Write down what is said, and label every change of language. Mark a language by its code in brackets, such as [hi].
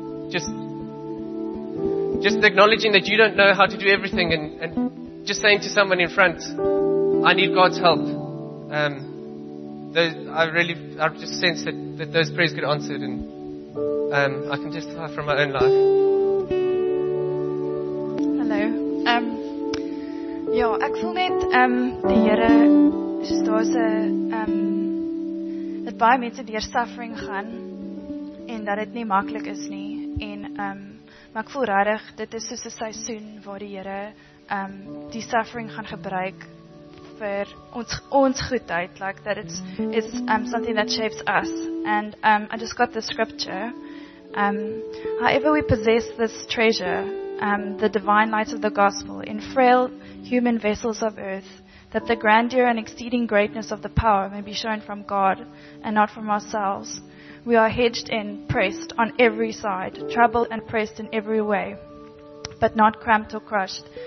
[en] Just acknowledging that you don't know how to do everything, and just saying to someone in front, I need God's help. I just sense that those prayers get answered, and I can testify from my own life. Hello. [af] Ek voel net die Here, soos daar's 'n dat baie mense deur suffering gaan en dat dit nie maklik is nie. En maar ek voel regtig dit is soos 'n seisoen waar die Here die suffering gaan gebruik vir ons goedheid, [en] like that it's something that shapes us. And I just got the scripture. However we possess this treasure, the divine light of the gospel, in frail human vessels of earth, that the grandeur and exceeding greatness of the power may be shown from God and not from ourselves, we are hedged in, pressed on every side, troubled and pressed in every way, but not cramped or crushed.